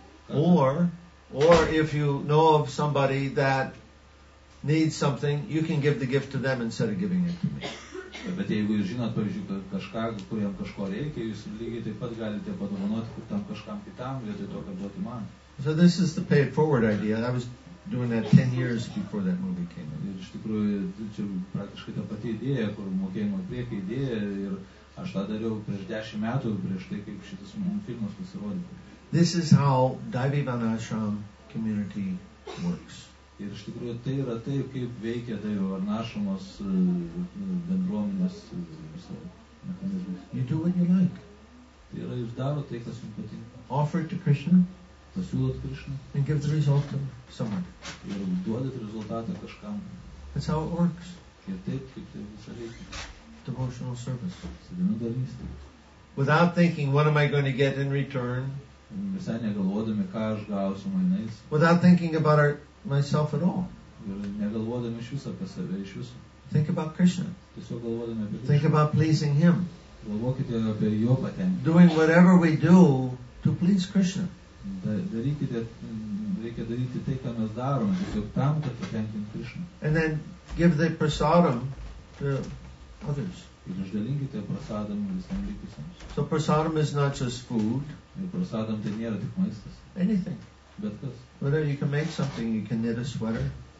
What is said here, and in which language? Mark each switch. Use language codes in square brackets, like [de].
[en] Or if you know of somebody that needs something, you can give the gift to them instead of giving it to me. [lt] Bet jeigu jūs žinot, pavyzdžiui, kažką, kuriam kažko reikia, jūs lygiai taip pat galite padovanoti tam kažkam kitam, vietoj to, kad duoti man. [en] So this is the Pay It Forward idea. I was doing that 10 years before that movie came out. [lt] Ir iš tikrųjų, čia praktiškai ta pati idėja, kur mokėjimo priekį idėja, ir aš tą dariau prieš 10 metų, prieš tai, kaip šitas mums filmas pasirodė. [en] This is how Daivi Vanashram community works. [lt] Ir iš tikrųjų tai yra tai, kaip veikia tai varnašomos bendruomenės mechanizmas. [en] You do what you like. [lt] daro tai, kas jums patinka. [en] Offer it to Krishna. [lt] Pasiūlot Krishna. [en] And give the result to someone. [lt] Ir duodat rezultatą kažkam. [en] That's how it works. [lt] Ir taip, kaip tai visą reikia. [en] Devotional service. [lt] Sėdinu darysti. [en] Without thinking, what am I going to get in return? [lt] Visai negalvodami, ką aš gausiu mainais. [en] Without thinking about myself at all. [lt] Ir negalvodami iš viso apie save, iš viso. [en] Think about Krishna. [lt] Tiesiog galvodami apie Krishna. [en] Think about pleasing Him. [lt] Galvokite apie Jo patenkinimą. [en] Doing whatever we do to please Krishna. [lt] Reikia daryti tai, ką mes darom, tiesiog tam, kad patenkinti Krishna. [en] And then give the prasadam to others. [lt] Ir išdalinkite prasadam visam likusiems. [en] So prasadam is not just food. [lt] Ir prasadam tai nėra tik maistas. [en] Anything. [lt] Bet kas. [en] Whether you can make something, you can knit a sweater.